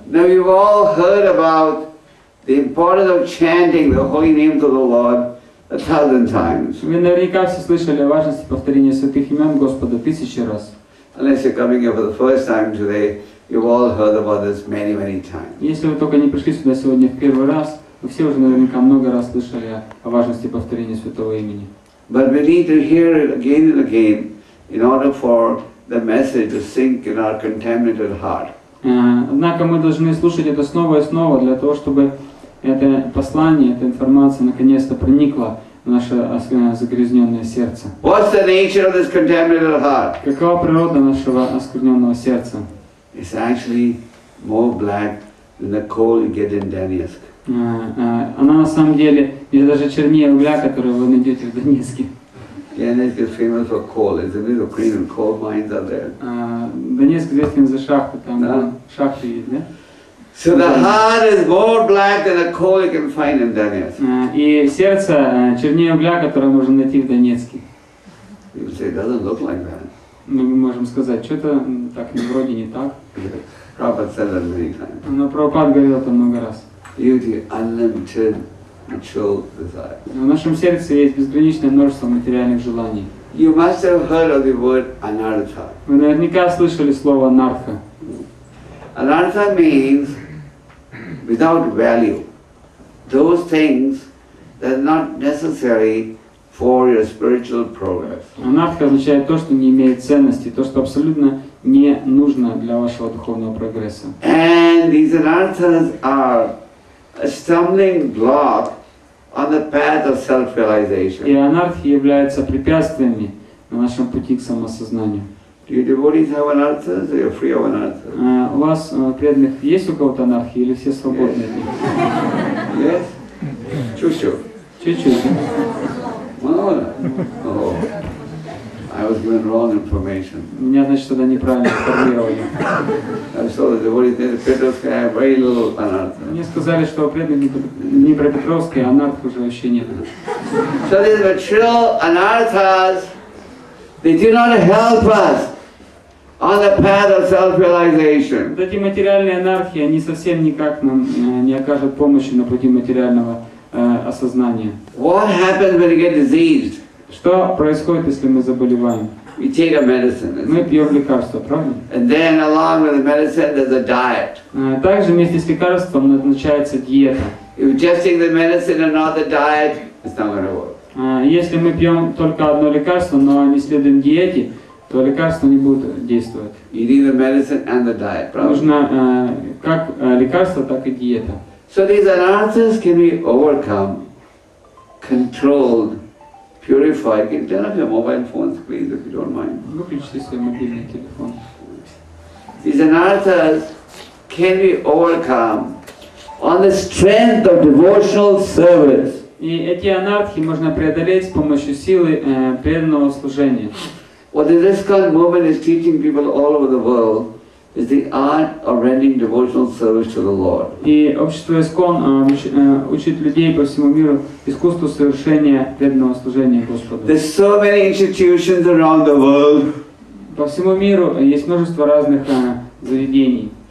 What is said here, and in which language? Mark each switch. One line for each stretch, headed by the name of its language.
English: Now you've all heard about the importance of chanting the holy names of the Lord a thousand times.
Russian: Вы наверняка все слышали о важности повторения святых имен Господа тысячи раз.
English: Unless you're coming here for the first time today, you've all heard about this many, many times.
Russian: Если вы только не пришли сюда сегодня в первый раз, вы все уже наверняка много раз слышали о важности повторения святого имени.
English: But we need to hear it again and again in order for the message to sink in our contaminated heart.
Russian: Однако мы должны слушать это снова и снова для того, чтобы это послание, эта информация наконец-то проникла в наше загрязненное сердце.
English: What's the nature of this contaminated heart?
Russian: Какова природа нашего оскверненного сердца?
English: It's actually more black than the coal you get in Donetsk.
Russian: Она на самом деле или даже чернее угля, который вы найдете в Донецке.
English: Donetsk is famous for coal, isn't it? Ukrainian coal mines are there.
Russian: Донецк известен за шахты, там шахты есть, да?
English: So the heart is more black than the coal you can find in Donetsk.
Russian: И сердце чернее угля, которое можно найти в Донецке.
English: You say it doesn't look like that.
Russian: Ну, мы можем сказать, что-то так вроде не так.
English: Prabhupada said that many times.
Russian: Но Прабхупад говорил это много раз.
English: Beauty, unlimited, mutual desire.
Russian: В нашем сердце есть безграничное множество материальных желаний.
English: You must have heard of the word anartha.
Russian: Вы наверняка слышали слово нартха.
English: Anartha means without value. Those things that are not necessary for your spiritual progress.
Russian: Анартха означает то, что не имеет ценности, то, что абсолютно не нужно для вашего духовного прогресса.
English: And these anarthas are a stumbling block on the path of self-realization.
Russian: И анартхи являются препятствиями на нашем пути к самосознанию.
English: Do your devotees have anarthas? Are you free of anarthas?
Russian: У вас преданных есть у кого-то анархи или все свободны?
English: Yes. Yes.
Russian: Чуть-чуть.
English: Oh, I was given wrong information.
Russian: Меня, значит, тогда неправильно информировали.
English: I saw the devotees in Petrovskaya have very little anarthas.
Russian: Мне сказали, что у преданных не про Петровское, а анартх уже вообще нет.
English: So these material anarthas, they do not help us on the path of self-realization.
Russian: Вот эти материальные анархии, они совсем никак нам не окажут помощи на пути материального осознания.
English: What happens when you get diseased?
Russian: Что происходит, если мы заболеваем?
English: We take a medicine.
Russian: Мы пьем лекарство, правда?
English: And then along with the medicine, there's a diet.
Russian: Также вместе с лекарством назначается диета.
English: If you're just taking the medicine and not the diet, it's not going to work.
Russian: Если мы пьем только одно лекарство, но не следуем диете, то лекарство не будет действовать.
English: You need the medicine and the diet,
Russian: правда? Нужно как лекарство, так и диета.
English: So these anarthas can be overcome, controlled, purified. Can you turn off your mobile phones, please, if you don't mind?
Russian: Выключите свой мобильный телефон.
English: These anarthas can be overcome on the strength of devotional service.
Russian: И эти анартхи можно преодолеть с помощью силы преданного служения.
English: What the ISKCON movement is teaching people all over the world is the art of rendering devotional service to the Lord.
Russian: И общество ISKCON учит людей по всему миру искусству совершения преданного служения Господу.
English: There's so many institutions around the world.
Russian: По всему миру есть множество разных заведений.